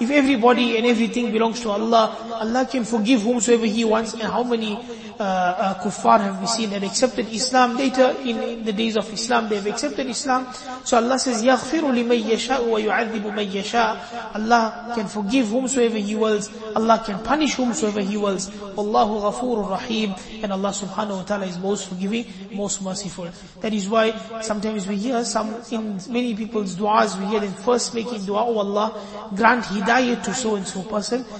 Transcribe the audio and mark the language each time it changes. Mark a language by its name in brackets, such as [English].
[English] If everybody and everything belongs to Allah, Allah can forgive whomsoever He wants. And how many kuffar have we seen that accepted Islam later in the days of Islam, they have accepted Islam. [Arabic] So Allah says, يَغْفِرُ لِمَنْ يَشَاءُ وَيُعَذِّبُ مَنْ يَشَاءُ. [English] Allah can forgive whomsoever He wills. Allah can punish whomsoever He wills. Allahu ghafurur rahim. And Allah subhanahu wa ta'ala is most forgiving, most merciful. That is why sometimes we hear in many people's du'as, we hear them first making du'a, oh Allah, grant hidayah to so and so person.